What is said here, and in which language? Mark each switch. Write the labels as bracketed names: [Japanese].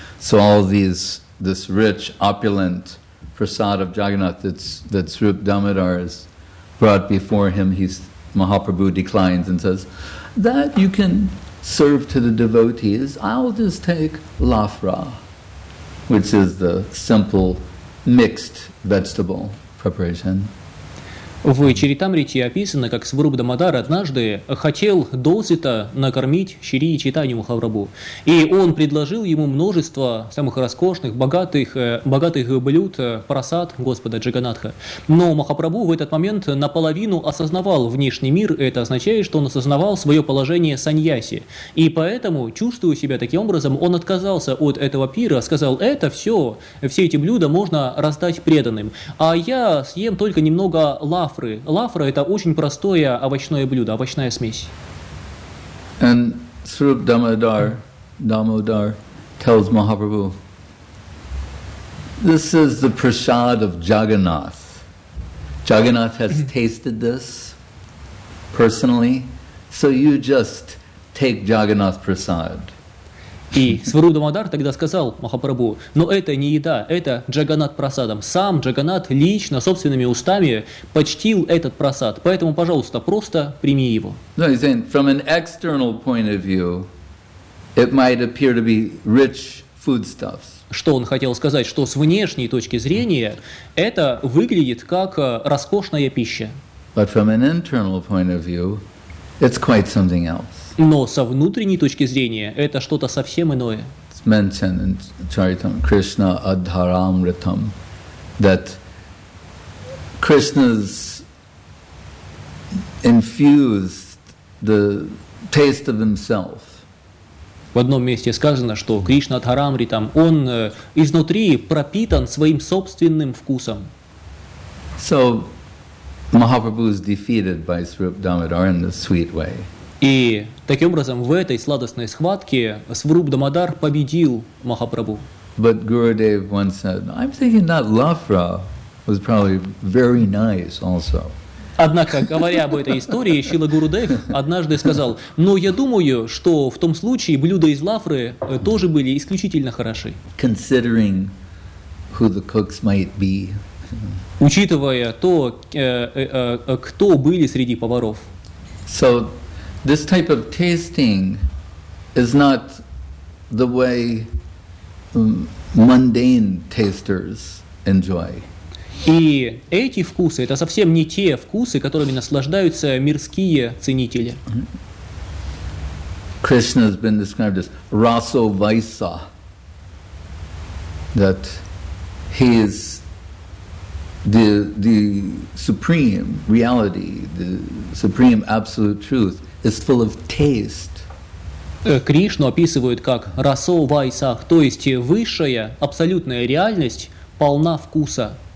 [English] So all these, this rich, opulent prasad of Jagannath that Swarup Damodar is brought before him, Mahaprabhu declines and says, "That you can serve to the devotees, I'll just take lafra, which is the simple mixed vegetable preparation." [Russian] В Чаритамрите описано, как Сварупа Дамодар однажды хотел досыта накормить Шри Чайтанью Махапрабху. И он предложил ему множество самых роскошных, богатых блюд, прасад Господа Джаганнатха. Но Махапрабху в этот момент наполовину осознавал внешний мир, это означает, что он осознавал свое положение саньяси. И поэтому, чувствуя себя таким образом, он отказался от этого пира, сказал: «Это все, все эти блюда можно раздать преданным, а я съем только немного лапы». Лафра — это очень простое овощное блюдо, овощная смесь. [English] And Swarup Damodar tells Mahaprabhu, "This is the prasad of Jagannath. Jagannath has tasted this personally, so you just take Jagannath prasad." [Russian] И Сварупа Дамодар тогда сказал Махапрабху: «Но это не еда, это Джаганнат прасадом. Сам Джаганнат лично, собственными устами, почтил этот прасад. Поэтому, пожалуйста, просто прими его». [English] No, he's saying, from an external point of view, it might appear to be rich foodstuffs. [Russian] Что он хотел сказать? Что с внешней точки зрения это выглядит как роскошная пища. [English] But from an internal point of view, it's quite something else. [Russian] Но со внутренней точки зрения это что-то совсем иное. [English] It's mentioned in Charitam, Krishna Adharamritam, that Krishna's infused the taste of himself. [Russian] В одном месте сказано, что Кришна Адхарамритам, он изнутри пропитан своим собственным вкусом. [English] So Mahaprabhu is defeated by Swarup Damodar in a sweet way. [Russian] И таким образом в этой сладостной схватке Сварупа Дамодар победил Махапрабху. [English] But Gurudev once said, "I'm thinking that lafra was probably very nice also." [Russian] Однако, говоря об этой истории, Шрила Гурудев однажды сказал: "Но я думаю, что в том случае блюда из лафры тоже были исключительно хороши." [English] Considering who the cooks might be. [Russian] Учитывая то, кто были среди поваров. [English] So this type of tasting is not the way mundane tasters enjoy. [Russian] И эти вкусы — это совсем не те вкусы, которыми наслаждаются мирские ценители. [English] Krishna has been described as raso vaisa, that he is the supreme reality, the supreme absolute truth. Is full of taste. [Russian] Кришну описывают как расо вайсах, то есть высшая абсолютная реальность полна вкуса.